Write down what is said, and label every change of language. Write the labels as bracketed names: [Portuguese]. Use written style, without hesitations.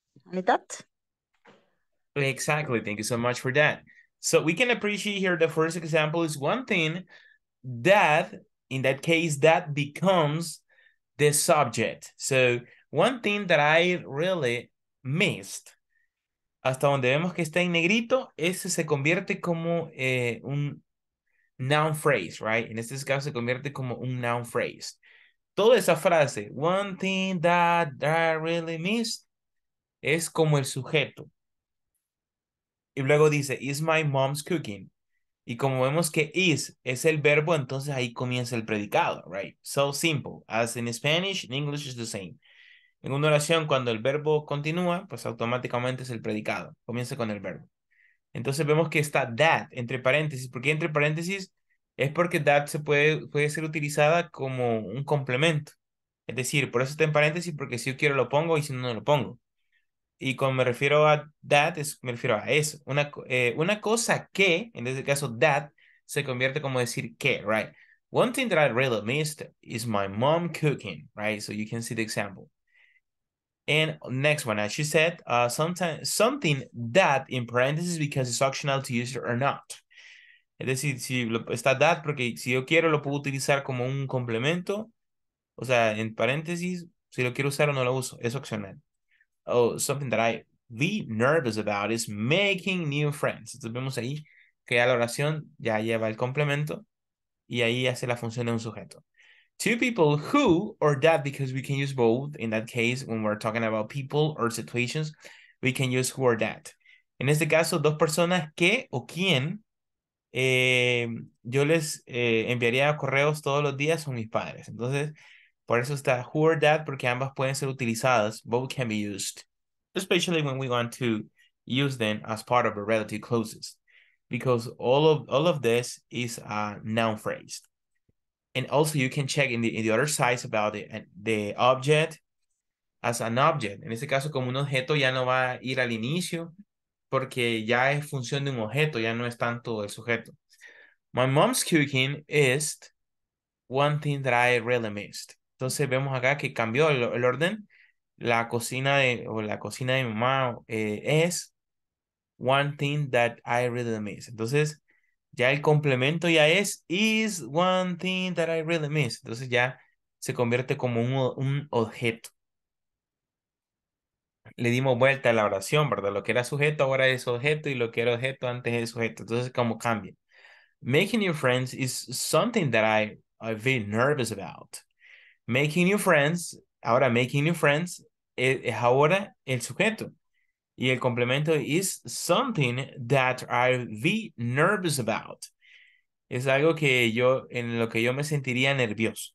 [English] Need that? Exactly. Thank you so much for that. So we can appreciate here the first example is one thing that, in that case, that becomes the subject. So one thing that I really missed. [Spanish] Hasta donde vemos que está en negrito, ese se convierte como un noun phrase, right? En este caso se convierte como un noun phrase. Toda esa frase, [English] one thing that I really missed, [Spanish] es como el sujeto. Y luego dice, [English] is my mom's cooking. [Spanish] Y como vemos que is el verbo, entonces ahí comienza el predicado, right? [English] So simple, as in Spanish, in English is the same. [Spanish] En una oración, cuando el verbo continúa, pues automáticamente es el predicado. Comienza con el verbo. Entonces vemos que está that entre paréntesis. ¿Por qué entre paréntesis? Es porque that se puede ser utilizada como un complemento. Es decir, por eso está en paréntesis, porque si yo quiero lo pongo y si no, no lo pongo. Y cuando me refiero a that, me refiero a eso. Una cosa que, en este caso that, se convierte como decir que, right? [English] One thing that I really missed is my mom cooking, right? So you can see the example. And next one, as she said, sometimes something that in parentheses because it's optional to use it or not. [Spanish] Es decir, si está that, porque si yo quiero lo puedo utilizar como un complemento. O sea, en paréntesis, si lo quiero usar o no lo uso, es opcional. [English] Oh, something that I be nervous about is making new friends. [Spanish] Entonces vemos ahí que ya la oración ya lleva el complemento y ahí hace la función de un sujeto. [English] Two people who or that, because we can use both. In that case, when we're talking about people or situations, we can use who or that. [Spanish] En este caso, dos personas que o quién yo les enviaría correos todos los días son mis padres. Entonces, por eso está who or that, porque ambas pueden ser utilizadas. [English] Both can be used, especially when we want to use them as part of a relative clauses, because all of this is a noun phrase. And also you can check in the other sides about the object as an object. [Spanish] En este caso, como un objeto, ya no va a ir al inicio porque ya es función de un objeto, ya no es tanto el sujeto. [English] My mom's cooking is one thing that I really missed. [Spanish] Entonces vemos acá que cambió el orden. La cocina de mi mamá es [English] one thing that I really missed. [Spanish] Entonces, ya el complemento ya [English] is one thing that I really miss. [Spanish] Entonces ya se convierte como un objeto. Le dimos vuelta a la oración, ¿verdad? Lo que era sujeto ahora es objeto y lo que era objeto antes es sujeto. Entonces como cambia. [English] Making new friends is something that I feel nervous about. Making new friends, [Spanish] ahora [English] making new friends, [Spanish] es ahora el sujeto. Y el complemento [English] is something that I be nervous about. [Spanish] Es algo que yo, en lo que yo me sentiría nervioso.